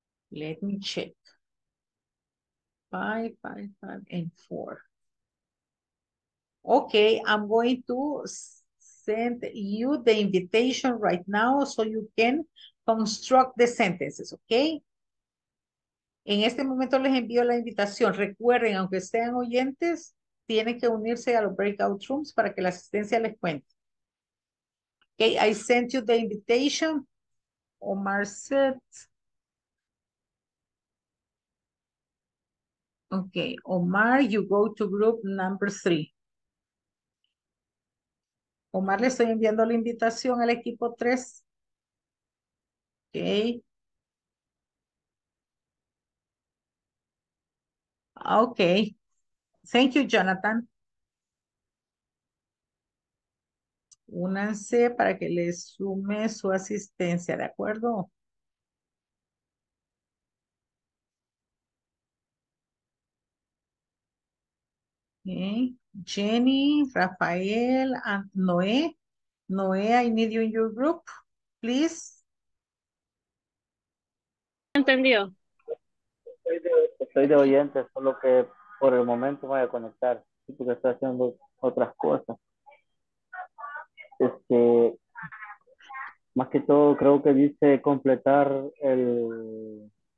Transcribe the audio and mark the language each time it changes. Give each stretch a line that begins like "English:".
English: Let me check. 5, 5, 5, and 4. Okay, I'm going to send you the invitation right now so you can construct the sentences, okay?
Spanish: En este momento les envío la invitación. Recuerden, aunque sean oyentes, tienen que unirse a los breakout rooms para que la asistencia les cuente.
English: Okay, I sent you the invitation. Omar said... Okay, Omar, you go to group number 3.
Spanish: Omar, le estoy enviando la invitación al equipo 3. Okay.
English: Okay. Thank you, Jonathan.
Spanish: Únanse para que le sume su asistencia, ¿de acuerdo?
English: Okay, Jenny, Rafael, and Noé. Noé, I need you in your group, please.
Spanish: Entendido. Estoy de oyente, solo que por el momento voy a conectar, porque estoy haciendo otras cosas. Este, más que todo, creo que dice completar el...